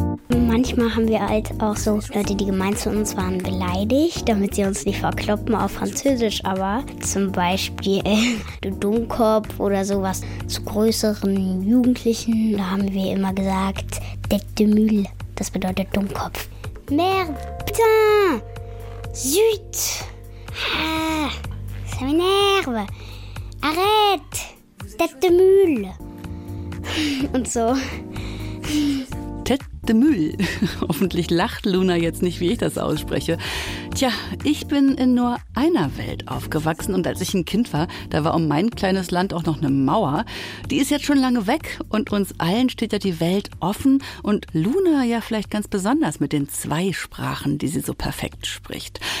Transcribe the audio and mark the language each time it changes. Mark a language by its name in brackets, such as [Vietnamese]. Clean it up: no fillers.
[German] Manchmal haben wir halt auch so Leute, die gemein zu uns waren, beleidigt, damit sie uns nicht verkloppen auf Französisch. Aber zum Beispiel du Dummkopf oder sowas zu größeren Jugendlichen, da haben wir immer gesagt, tête de mule, das bedeutet Dummkopf. [French] Merde, putain, zut, ha, ça m'énerve, arrête, tête de mule [German] und so. De Müll. Hoffentlich lacht Luna jetzt nicht, wie ich das ausspreche. Tja, ich bin in nur einer Welt aufgewachsen und als ich ein Kind war, da war um mein kleines Land auch noch eine Mauer. Die ist jetzt schon lange weg und uns allen steht ja die Welt offen und Luna ja vielleicht ganz besonders mit den zwei Sprachen, die sie so perfekt spricht.